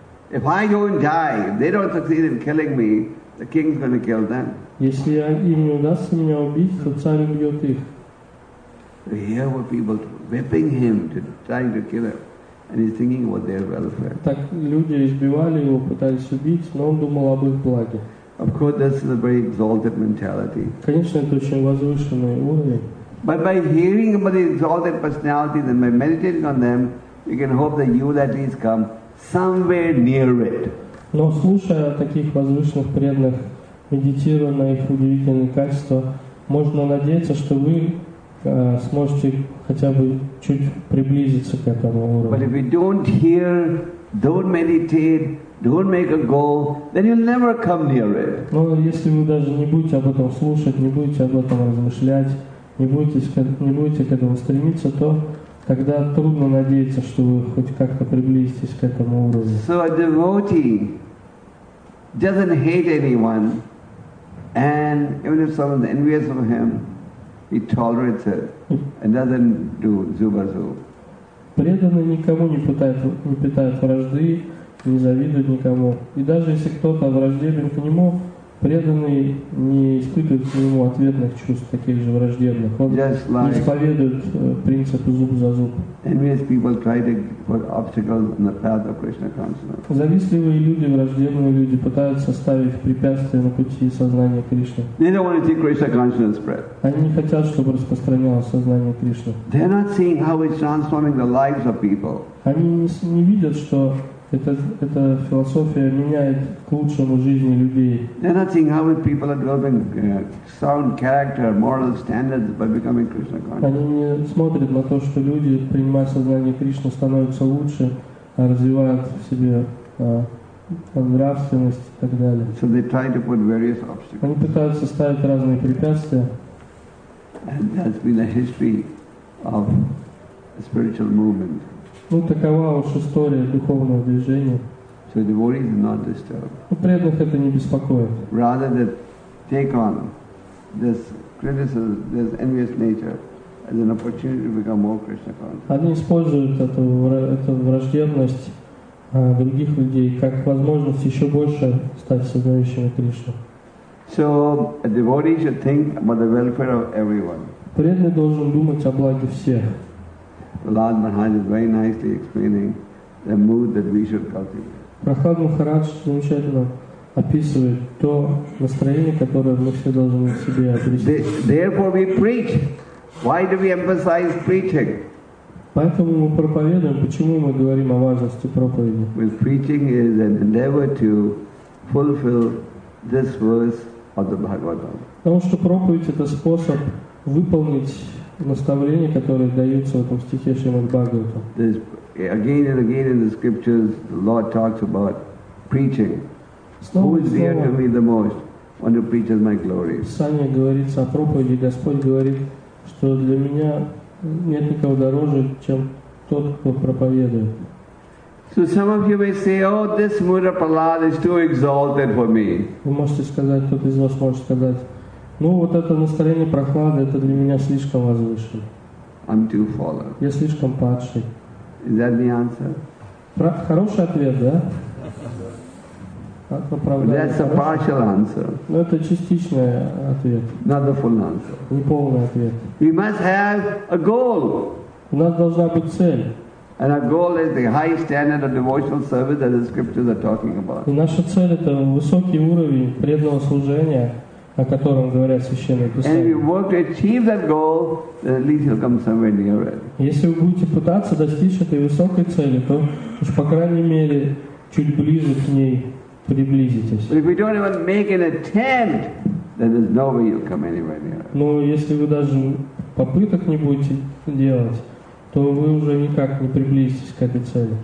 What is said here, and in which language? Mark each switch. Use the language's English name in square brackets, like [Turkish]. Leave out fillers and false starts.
[English] If I go and die, they don't succeed in killing me, the king's going to kill them. [Russian] Если им не удастся меня убить, то царь убьет их. [English] Here were people whipping him to try to kill him, and he's thinking about their welfare. [Russian] Так люди избивали его, пытались убить, но он думал об их благе. [English] Of course, this is a very exalted mentality. [Russian] Конечно, это очень возвышенный уровень. [English] But by hearing about the exalted personalities and by meditating on them, you can hope that you will at least come somewhere near it. [Russian] Но слушая о таких возвышенных преданных, медитируя на их удивительные качества, можно надеяться, что вы сможете хотя бы чуть приблизиться к этому уровню. [English] But if you don't hear, don't meditate, don't make a goal, then you'll never come near it. [Russian] Но если вы даже не будете об этом слушать, не будете об этом размышлять, не будете к этому стремиться, то тогда трудно надеяться, что вы хоть как-то приблизитесь к этому уровню. [English] So a devotee doesn't hate anyone, and even if someone is envious of him, he tolerates it and doesn't do zubazu. [Russian] Преданный никому не питает вражды, не завидует никому. И даже если кто-то враждебен к нему, преданный не испытывает к нему ответных чувств, таких же враждебных. Он не исповедует принцип зуб за зуб. [English] Envious people try to put obstacles on the path of Krishna consciousness. [Russian] Завистливые люди, враждебные люди пытаются ставить препятствия на пути сознания Кришны. [English] They don't want to see Krishna consciousness spread. [Russian] Они не хотят, чтобы распространялось сознание Кришны. [English] They're not seeing how it's transforming the lives of people. [Russian] Они не видят, что эта философия меняет к лучшему жизни людей. [English] They're not seeing how people are developing sound character, moral standards by becoming Krishna conscious. [Russian] Они не смотрят на то, что люди, принимая сознание Кришны, становятся лучше, развивают в себе нравственность и так далее. [English] So they try to put various obstacles. [Russian] Они пытаются ставить разные препятствия. [English] And that's been a history of the spiritual movement. [Russian] Ну, такова уж история духовного движения. [English] So devotees are not disturbed. [Russian] Преданных это не беспокоит. [English] Rather they take on this criticism, this envious nature as an opportunity to become more Krishna conscious. [Russian] Они используют эту враждебность других людей как возможность еще больше стать сознающими Кришну. [English] So a devotee should think about the welfare of everyone. [Russian] Преданный должен думать о благе всех. [English] Lord Maharaj is very nicely explaining the mood that we should cultivate. [Russian] Прохлад Махарадж замечательно описывает то настроение, которое мы все должны в себе обрести. [English] Therefore we preach. Why do we emphasize preaching? [Russian] Поэтому мы проповедуем. Почему мы говорим о важности проповеди? [English] Well, preaching is an endeavor to fulfill this verse of the Bhagavatam. [Russian] Потому что проповедь — это способ выполнить наставления, которые даются в этом стихе Шримад Бхагаватам. [English] Again and again in the scriptures, the Lord talks about preaching. [Russian] Снова [English] Who is dear to me the most? One who preaches my glory. [Russian] Писание говорится о проповеди. Господь говорит, что для меня нет никого дороже, чем тот, кто проповедует. [English] So some of you may say, "Oh, this Mudra Prahlad is too exalted for me." [Russian] Вы можете сказать, кто-то из вас может сказать, "Ну вот это настроение прохлады, это для меня слишком возвышено." [English] I'm too fallen. [Russian] Я слишком падший. [English] Is that the answer? [Russian] Хороший ответ, да? [English] That's a partial answer. [Russian] Но это частичный ответ. [English] Not the full answer. [Russian] Не полный ответ. [English] We must have a goal. [Russian] У нас должна быть цель. [English] And our goal is the high standard of devotional service that the scriptures are talking about. [Russian] И наша цель — это высокий уровень преданного служения, о котором говорят священные писания. [English] And if you work to achieve that goal, then at least you'll come somewhere near it. [Russian] Если вы будете пытаться достичь этой высокой цели, то уж по крайней мере чуть ближе к ней приблизитесь. [English] But if you don't even make an attempt, then there's no way you'll come anywhere near it. [Russian] Но если вы даже попыток не будете делать, то вы уже никак не приблизитесь к этой цели.